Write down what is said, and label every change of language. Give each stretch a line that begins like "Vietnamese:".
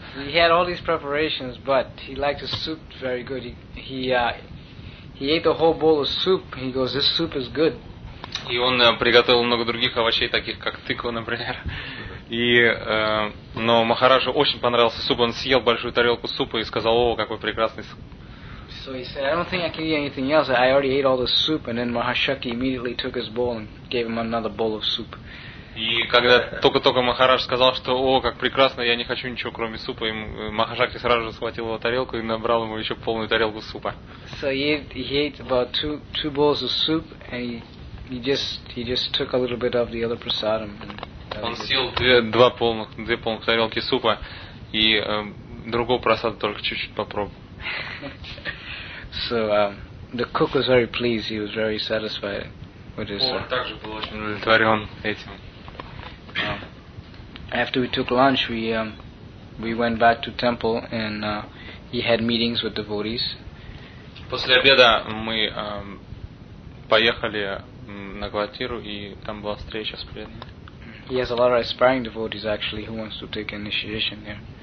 English: He had all these preparations, but he liked the soup very good. He ate the whole bowl of soup. He goes, "This soup is good."
Russian: И он приготовил много других овощей, таких как тыква, например. И но Махараджу очень понравился суп. Он съел большую тарелку супа и сказал: "О, какой прекрасный суп!"
English: So he said, "I don't think I can eat anything else. I already ate all the soup." And then Mahashakti immediately took his bowl and gave him another bowl of soup.
Russian: И когда только-только Махарадж сказал, что «О, как прекрасно, я не хочу ничего, кроме супа», Махашакти сразу же схватил его тарелку и набрал ему еще полную тарелку супа.
English: So he ate about two bowls of soup, and he just took a little bit of the other prasadam.
Russian: Он съел две полных тарелки супа, и другого прасада только чуть-чуть попробовал.
English: So the cook was very pleased, he was very satisfied with his...
Russian: Он также был очень удовлетворен этим.
English: After we took lunch, we went back to temple and he had meetings with devotees.
Russian: После обеда мы поехали на квартиру и там была встреча с преданными.
English: He has a lot of aspiring devotees actually who wants to take initiation there.